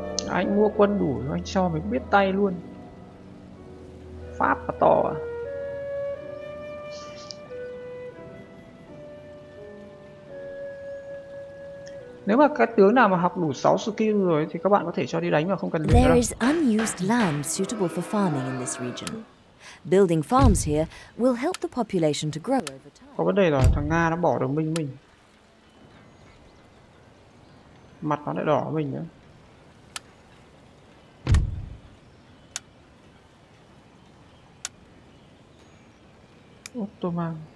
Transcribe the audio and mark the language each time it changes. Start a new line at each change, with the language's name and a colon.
Vietnamese: Anh mua quân đủ rồi, anh cho mình biết tay luôn. Pháp mà to à? Nếu mà các tướng nào mà học đủ 6 skill rồi thì các bạn có thể cho đi đánh mà không cần luyện đâu.
English: There is unused land suitable for farming in this region. Building farms here will help the population to grow over time.
Vietnamese: Có vấn đề rồi, thằng Nga nó bỏ đồng minh mình. Mặt nó lại đỏ mình nữa. Ottoman.